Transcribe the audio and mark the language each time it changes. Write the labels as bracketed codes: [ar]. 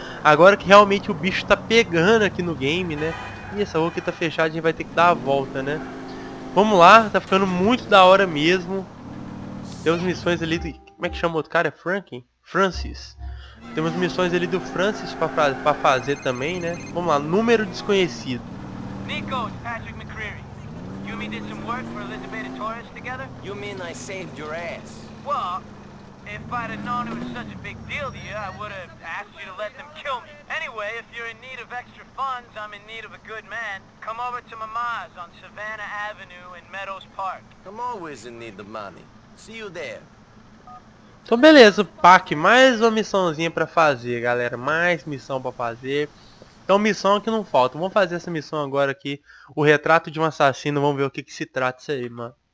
[pt] Agora que realmente o bicho tá pegando aqui no game, né? E essa rua aqui tá fechada, a gente vai ter que dar a volta, né? Vamos lá, tá ficando muito da hora mesmo. Temos missões ali do... Como é que chama o outro cara? É Frank? Francis. Temos missões ali do Francis pra fazer também, né? Vamos lá, número desconhecido. Nico, Patrick McCreary. [en] You mean did some work for Elizabeth and Torres together? You mean I saved your ass? Well, if I'd have known it was such a big deal to you, I would have asked you to let them kill me. Anyway, if you're in need of extra funds, I'm in need of a good man. Come over to Mama's on Savannah Avenue in Meadows Park. I'm always in need of money. See you there. [pt] Então beleza, Pac, mais uma missãozinha pra fazer, galera. Mais missão pra fazer. Então missão que não falta. Vamos fazer essa missão agora aqui. O retrato de um assassino. Vamos ver o que se trata isso aí, mano.